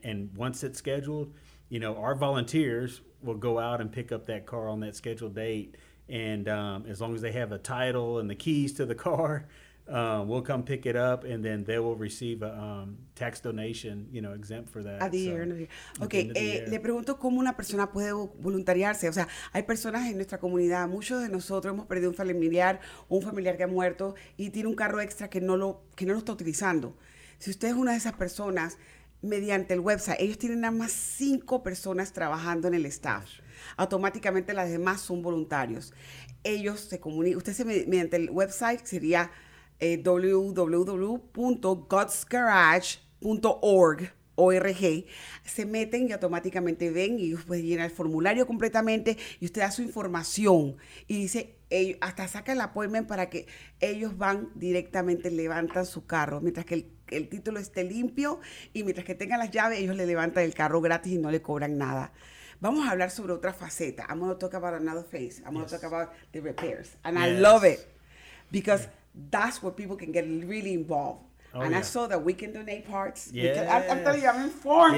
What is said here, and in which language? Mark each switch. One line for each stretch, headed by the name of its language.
English: And once it's scheduled, you know, our volunteers will go out and pick up that car on that scheduled date. And as long as they have a title and the keys to the car, we'll come pick it up, and then they will receive a tax donation, you know, exempt for that. A the year, so, the year. Okay, the year.
Spanish: Le pregunto cómo una persona puede voluntariarse. O sea, hay personas en nuestra comunidad, muchos de nosotros hemos perdido un familiar que ha muerto y tiene un carro extra que no lo está utilizando. Si usted es una de esas personas, mediante el website, ellos tienen nada más 5 personas trabajando en el staff. Sure. Automáticamente las demás son voluntarios. Ellos se comunican. Usted mediante el website sería... www.godsgarage.org, se meten y automáticamente ven, y pues llena el formulario completamente, y usted da su información y dice, hasta saca el appointment para que ellos van directamente, levantan su carro mientras que el título esté limpio, y mientras que tengan las llaves, ellos le levantan el carro gratis y no le cobran nada. Vamos a hablar sobre otra faceta.
English: I'm going to talk about another phase. I'm going to talk about the repairs, and I love it, because that's where people can get really involved. Oh, and I saw that we can donate parts. Yes. I'm telling you, I'm informed.